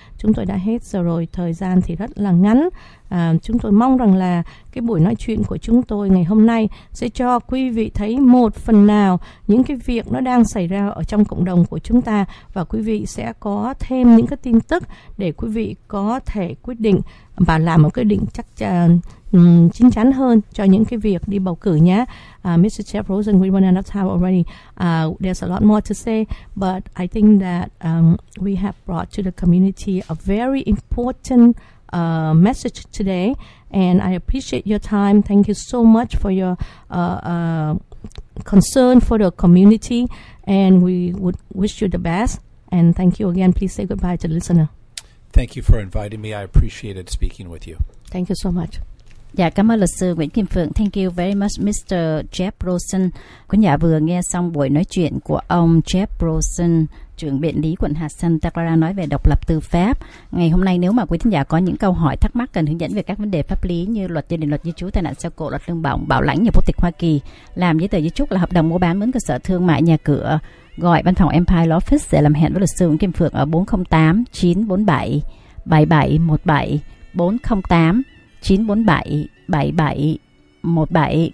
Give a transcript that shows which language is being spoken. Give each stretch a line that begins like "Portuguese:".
Vietnamese: Chúng tôi đã hết giờ rồi, thời gian thì rất là ngắn. Chúng tôi mong rằng là cái buổi nói chuyện của chúng tôi ngày hôm nay sẽ cho quý vị thấy một phần nào những cái việc nó đang xảy ra ở trong cộng đồng của chúng ta, và quý vị sẽ có thêm những cái tin tức để quý vị có thể quyết định và làm một quyết định chắc chắn, chín chắn hơn cho những cái việc đi bầu cử nhé.
English: Mr. Jeff Rosen, we run out of time already. There's a lot more to say, but I think that we have brought to the community a very important message today, and I appreciate your time. Thank you so much for your concern for the community, and we would wish you the best, and thank you again. Please say goodbye to the listener. Thank you for inviting me. I appreciated speaking with you. Thank you so much.
Vietnamese: Dạ, cảm ơn luật sư Nguyễn Kim Phượng.
English: Thank you very much,
Vietnamese: Mr. Jeff Rosen. Quý nhà vừa nghe xong buổi nói chuyện của ông Jeff Rosen, trưởng biện lý quận hạt Santa Clara, nói về độc lập tư pháp. Ngày hôm nay, nếu mà quý thính giả có những câu hỏi thắc mắc cần hướng dẫn về các vấn đề pháp lý như luật gia đình, luật di trú, tai nạn xe cộ, luật lương bổng, bảo lãnh nhà quốc tịch Hoa Kỳ, làm giấy tờ di trúc là hợp đồng mua bán mướn cơ sở thương mại nhà cửa, gọi văn phòng Empire Law Office để làm hẹn với luật sư Nguyễn Kim Phượng ở 408-947-7717, 408-947-7717.